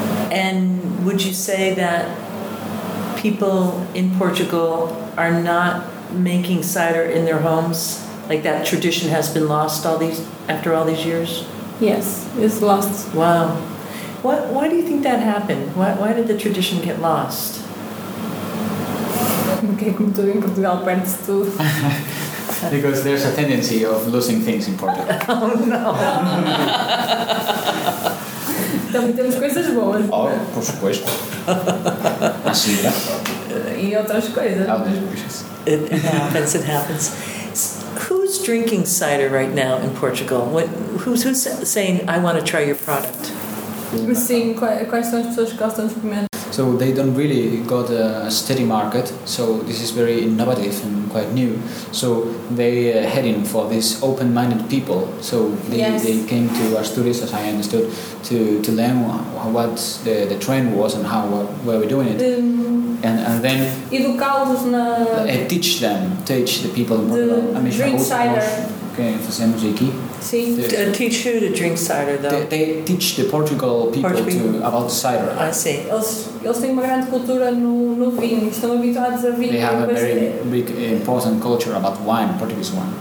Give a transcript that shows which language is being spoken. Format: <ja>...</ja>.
<en>And would you say that people in Portugal are not making cider in their homes? Like that tradition has been lost after all these years? Yes, it's lost. Wow. Why do you think that happened? Why did the tradition get lost?</en> <pt>Que é como tudo em Portugal perde-se tudo.</pt> <en>Because there's a tendency of losing things in Portugal.</en> <pt>Oh, não. Temos coisas boas. Oh,</pt> <es>por supuesto.</es> <pt>Assim, né? E outras coisas.</pt> <en>It happens. Who's drinking cider right now in Portugal? Who's saying, I want to try your product?</en> <pt>Sim, quais são as pessoas que gostam de experimentar?</pt> <en>So they don't really got a steady market, so this is very innovative and quite new. So they're heading for these open-minded people. So they came to Asturias, as I understood, to learn what the trend was and how were we doing it. And then</en> <pt>educá-los na...</pt> <en>teach the people in Portugal. Drink cider.</en> <pt>Okay, fazemos aqui. Sim.</pt> <en>Teach who to drink cider, though? They teach the Portugal people about cider. I see.</en> <pt>Eles têm uma grande cultura no vinho. Estão habituados a vinho.</pt> <en>They have a very big, important culture about wine, Portuguese wine.</en>